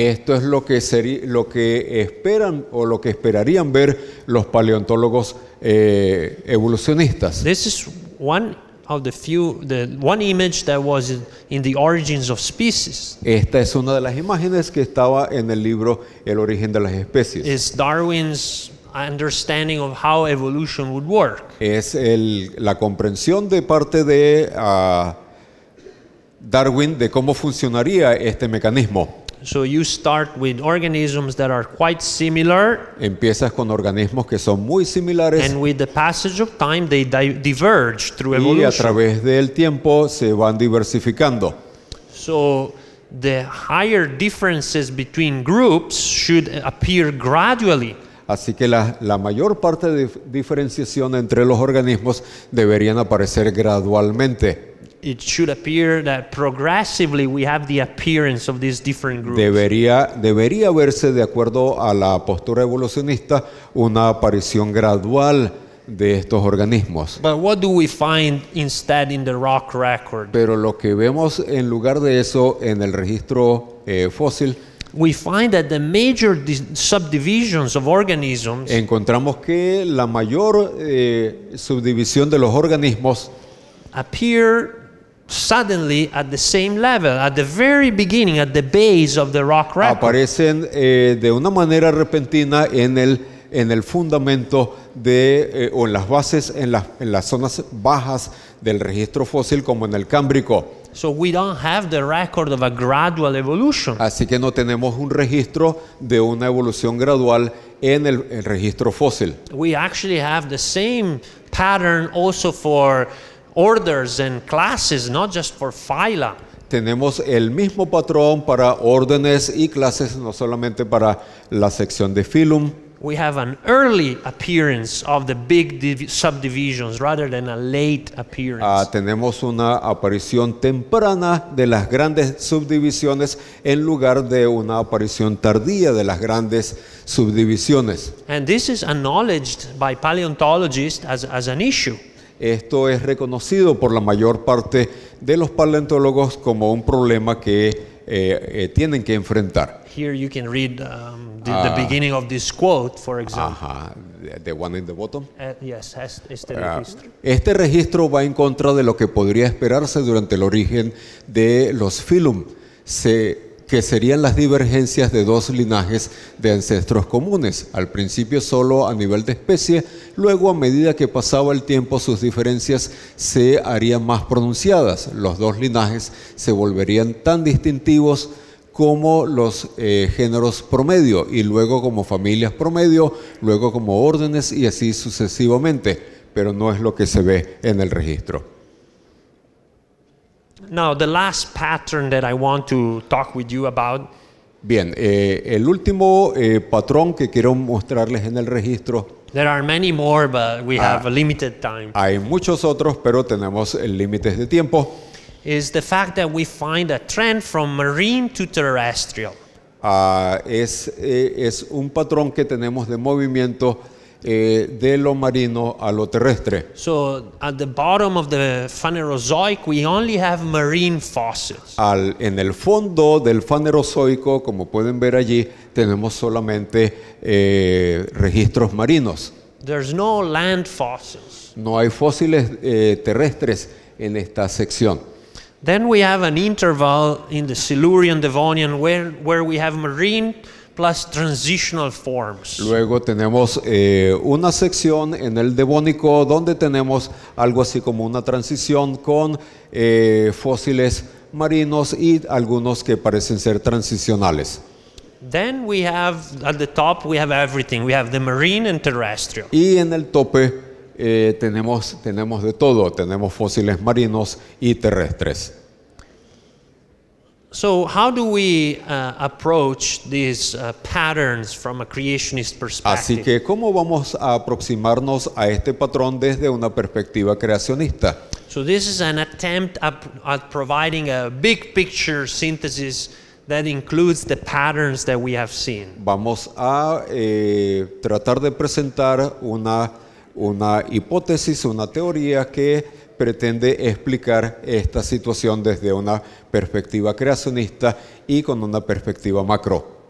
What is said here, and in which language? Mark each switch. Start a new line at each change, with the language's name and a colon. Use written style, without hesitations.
Spanish: Esto es lo que esperan o lo que esperarían ver los paleontólogos evolucionistas.
English: This is one of the one image that was in the Origins of Species.
Spanish: Esta es una de las imágenes que estaba en el libro El origen de las especies.
English: It's Darwin's understanding of how evolution would work.
Spanish: Es la comprensión de parte de Darwin de cómo funcionaría este mecanismo.
English: So you start with organisms that are quite similar.
Spanish: Empiezas con organismos que son muy similares.
English: And with the passage of time they diverge through
Spanish: y
English: evolution.
Spanish: Y a través del tiempo se van diversificando.
English: So the higher differences between groups should appear gradually.
Spanish: Así que la mayor parte de diferenciación entre los organismos deberían aparecer gradualmente.
English: It should appear that progressively we have the appearance of these different groups.
Spanish: Debería verse, de acuerdo a la postura evolucionista, una aparición gradual de estos organismos.
English: But what do we find instead in the rock record?
Spanish: Pero lo que vemos en lugar de eso en el registro fósil,
English: we find that the major subdivisions of organisms,
Spanish: encontramos que la mayor subdivisión de los organismos
English: appear suddenly at the same level, at the very beginning, at the base of the rock record.
Spanish: Aparecen de una manera repentina en el fundamento de o en las bases en las zonas bajas del registro fósil, como en el Cámbrico.
English: So we don't have the record of a gradual evolution.
Spanish: Así que no tenemos un registro de una evolución gradual en el registro fósil.
English: We actually have the same pattern also for orders and classes, not just for phyla.
Spanish: Tenemos el mismo patrón para órdenes y clases, no solamente para la sección de phylum.
English: We have an early appearance of the big subdivisions rather than a late appearance.
Spanish: Tenemos una aparición temprana de las grandes subdivisiones en lugar de una aparición tardía de las grandes subdivisiones.
English: And this is acknowledged by paleontologists as an issue.
Spanish: Esto es reconocido por la mayor parte de los paleontólogos como un problema que tienen que enfrentar.
English: Here you can read the beginning of this quote, for example. Ajá, the one in the bottom. Yes,
Spanish: este registro. Este registro va en contra de lo que podría esperarse durante el origen de los phylum, que serían las divergencias de dos linajes de ancestros comunes, al principio solo a nivel de especie, luego a medida que pasaba el tiempo sus diferencias se harían más pronunciadas. Los dos linajes se volverían tan distintivos como los géneros promedio, y luego como familias promedio, luego como órdenes y así sucesivamente, pero no es lo que se ve en el registro.
English: Now, the last pattern that I want to talk with you about.
Spanish: Bien, el último patrón que quiero mostrarles en el registro.
English: There are many more, but we have a limited time.
Spanish: Hay muchos otros, pero tenemos límites de tiempo.
English: Is the fact that we find a trend from marine to terrestrial.
Spanish: Es un patrón que tenemos de movimiento de lo marino a lo terrestre.
English: So at the bottom of the Phanerozoic, we only have marine fossils.
Spanish: En el fondo del Phanerozoico, como pueden ver allí, tenemos solamente registros marinos.
English: There's no land fossils.
Spanish: No hay fósiles terrestres en esta sección.
English: Then we have an interval in the Silurian Devonian where we have marine plus transitional forms.
Spanish: Luego tenemos una sección en el Devónico donde tenemos algo así como una transición con fósiles marinos y algunos que parecen ser transicionales.
English: Then we have at the top we have everything. We have the marine and terrestrial.
Spanish: Y en el tope tenemos de todo, tenemos fósiles marinos y terrestres.
English: So how do we approach these patterns from a creationist perspective?
Spanish: Así que ¿cómo vamos a aproximarnos a este patrón desde una perspectiva creacionista?
English: So this is an attempt at providing a big picture synthesis that includes the patterns that we have seen.
Spanish: Vamos a tratar de presentar una hipótesis, una teoría que pretende explicar esta situación desde una perspectiva creacionista y con una perspectiva macro.